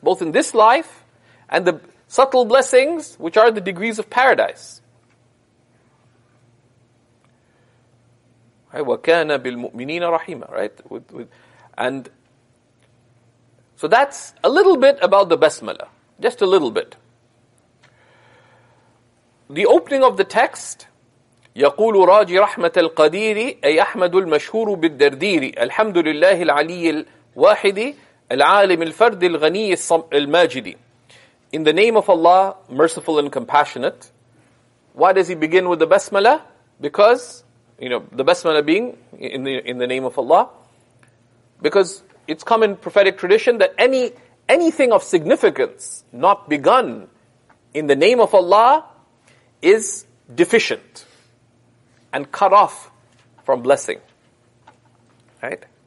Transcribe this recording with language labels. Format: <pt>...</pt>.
<en>Both in this life and the subtle blessings, which are the degrees of paradise.</en> <ar>وَكَانَ بِالْمُؤْمِنِينَ رَحِيمًا.</ar> <en>Right? And so that's a little bit about the Basmala. Just a little bit. The opening of the text,</en> <ar>يَقُولُ رَاجِ رَحْمَةَ الْقَدِيرِ أَيَحْمَدُ الْمَشْهُورُ بِالدَّرْدِيرِ الْحَمْدُ لِلَّهِ الْعَلِيِّ الْوَاحِدِ الْعَالِمِ الْفَرْدِ الْغَنِيِّ الْمَاجِدِ.</ar> <en>In the name of Allah, merciful and compassionate. Why does he begin with the Basmala? Because, you know, the Basmala being in the name of Allah. Because it's come in prophetic tradition that anything of significance not begun in the name of Allah is deficient and cut off from blessing. Right?</en>